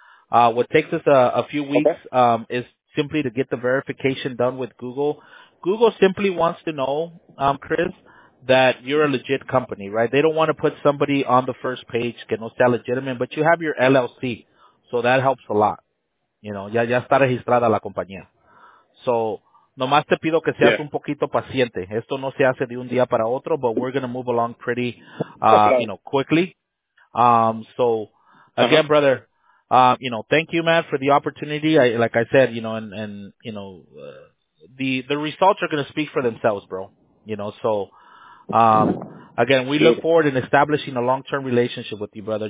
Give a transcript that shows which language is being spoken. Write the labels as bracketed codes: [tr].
[en] What takes us a few weeks is simply to get the verification done with Google. Google simply wants to know, Chris, that you're a legit company, right? They don't want to put somebody on the first page, [es] que no sea [en] legitimate, but you have your LLC, so that helps a lot. [es] You know, ya está registrada la compañía. So, nomás te pido que seas un poquito paciente. Esto no se hace de un día para otro, [en] but we're going to move along pretty, you know, quickly. So, again, brother, you know, thank you, man, for the opportunity. Like I said, you know, and you know, the results are going to speak for themselves, bro. You know, so, again, we look forward in establishing a long-term relationship with you, brother.